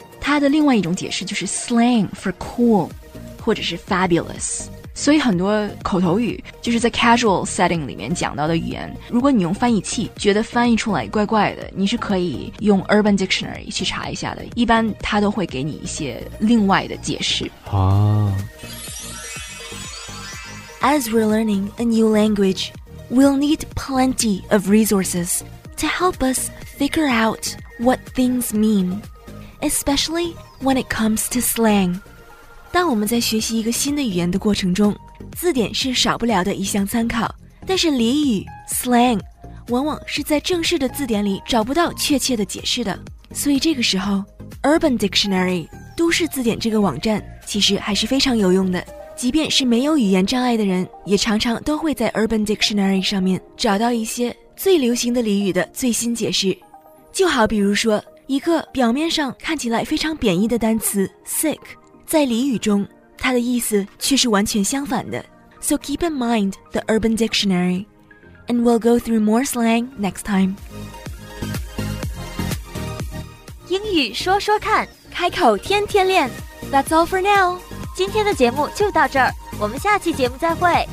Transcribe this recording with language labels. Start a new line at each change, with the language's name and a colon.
Chinese: 它的另外一种解释就是
English: slang for cool
Chinese: 或者是 fabulous。所以很多口头语就是在 casual setting 里面讲到的语言，如果你用翻译器觉得翻译出来怪怪的，你是可以用 Urban Dictionary 去查一下的，一般它都会给你一些另外的解释。
English: As we're learning a new language, we'll need plenty of resources to help us figure out what things mean, especially when it comes to slang.
Chinese: 当我们在学习一个新的语言的过程中，字典是少不了的一项参考，但是俚语 slang 往往是在正式的字典里找不到确切的解释的。所以这个时候 Urban Dictionary 都市字典这个网站其实还是非常有用的，即便是没有语言障碍的人也常常都会在 Urban Dictionary 上面找到一些最流行的俚语的最新解释。就好比如说一个表面上看起来非常贬义的单词 sick，在俚语中它的意思却是完全相反的。
English: So keep in mind the Urban Dictionary, and we'll go through more slang next time.
Chinese: 英语说说看，开口天天练。
English: That's all for now.
Chinese: 今天的节目就到这儿，我们下期节目再会。